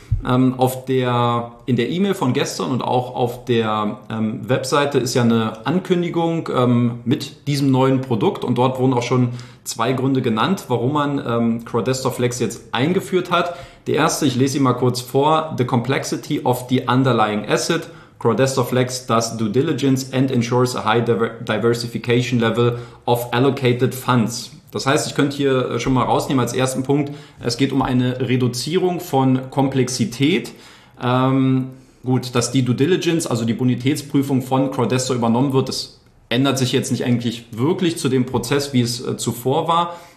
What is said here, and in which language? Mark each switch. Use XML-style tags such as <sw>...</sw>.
<de>In der E-Mail von gestern und auch auf der Webseite ist ja eine Ankündigung mit diesem neuen Produkt. Und dort wurden auch schon zwei Gründe genannt, warum man Quadestor Flex jetzt eingeführt hat. Der erste, ich lese sie mal kurz vor,</de> <en>the complexity of the underlying asset. Quadestor Flex does due diligence and ensures a high diversification level of allocated funds.</en> <de>Das heißt, ich könnte hier schon mal rausnehmen als ersten Punkt, es geht um eine Reduzierung von Komplexität. Gut, dass die Due Diligence, also die Bonitätsprüfung von Quadestor übernommen wird, das ändert sich jetzt nicht eigentlich wirklich zu dem Prozess, wie es zuvor war.</de>